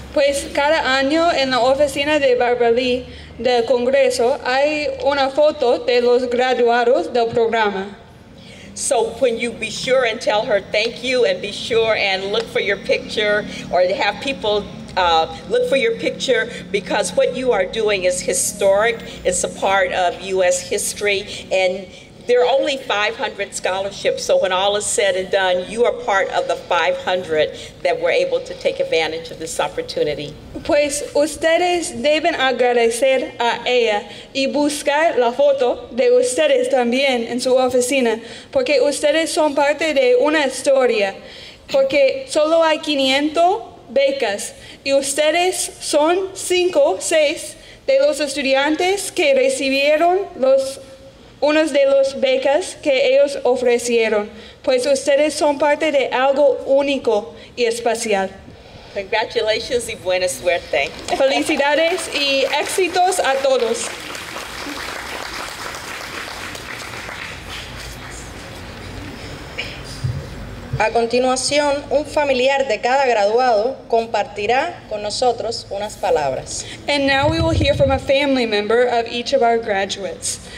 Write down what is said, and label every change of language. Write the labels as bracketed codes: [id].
[es] Pues cada año en la oficina de Barbara Lee del Congreso hay una foto de los graduados del programa. [en] So when you be sure and tell her thank you, and be sure and look for your picture, or have people look for your picture, because what you are doing is historic. It's a part of U.S. history, and there are only 500 scholarships, so when all is said and done, you are part of the 500 that were able to take advantage of this opportunity. [es] Pues ustedes deben agradecer a ella y buscar la foto de ustedes también en su oficina, porque ustedes son parte de una historia, porque solo hay 500 becas y ustedes son 5 o 6 de los estudiantes que recibieron los unos de los becas que ellos ofrecieron, pues ustedes son parte de algo único y especial. [en] Congratulations [es] y buena suerte. Felicidades y éxitos a todos. A continuación, un familiar de cada graduado compartirá con nosotros unas palabras. [en] And now we will hear from a family member of each of our graduates.